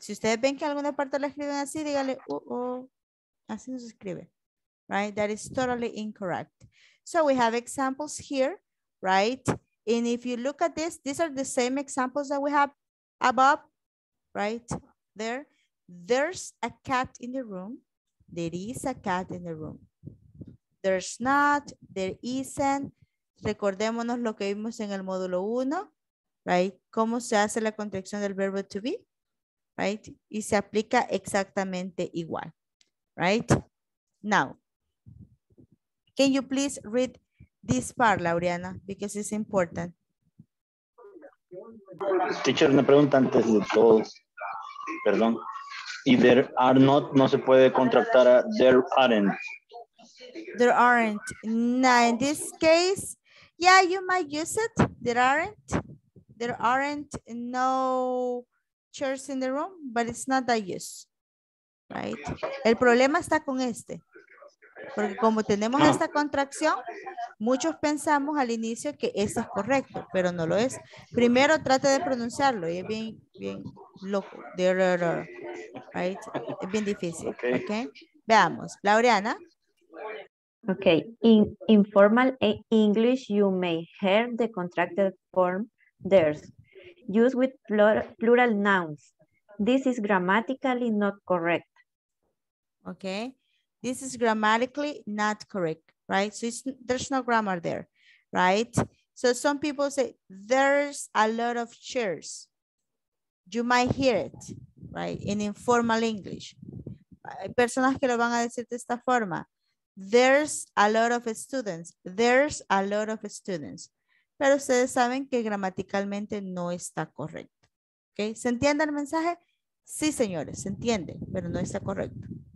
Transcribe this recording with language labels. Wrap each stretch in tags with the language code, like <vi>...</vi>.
<es>Si ustedes ven que alguna parte la escriben así, díganle, así no se escribe.</es> <en>Right? That is totally incorrect. So we have examples here, right? And if you look at this, these are the same examples that we have above. Right there, there's a cat in the room. There is a cat in the room. There's not, there isn't.</en> <es>Recordémonos lo que vimos en el módulo 1, right? ¿Cómo se hace la contracción del verbo to be? Right? Y se aplica exactamente igual, right?</es> <en>Now, can you please read this part, Laureana? Because it's important.</en> <es>Teacher, una pregunta antes de todos. Perdón. Y</es> <en>there are not,</en> <es>no se puede contractar a</es> <en>there aren't. There aren't. Now, in this case, yeah, you might use it. There aren't. There aren't no chairs in the room, but it's not that use.</en> <es>Right? El problema está con este. Porque como tenemos esta contracción, muchos pensamos al inicio que esto es correcto, pero no lo es. Primero trate de pronunciarlo y es bien, bien loco. Right? Es bien difícil. Okay. Okay? Veamos. Laureana. Ok.</es> <en>In informal English, you may hear the contracted form there's used with plural nouns. This is grammatically not correct. Ok. This is grammatically not correct, right? So it's, there's no grammar there, right? So some people say, there's a lot of chairs. You might hear it, right? In informal English.</en> <es>Hay personas que lo van a decir de esta forma.</es> <en>There's a lot of students. There's a lot of students.</en> <es>Pero ustedes saben que gramaticalmente no está correcto. Okay? ¿Se entiende el mensaje? Sí, señores, se entiende, pero no está correcto.</es>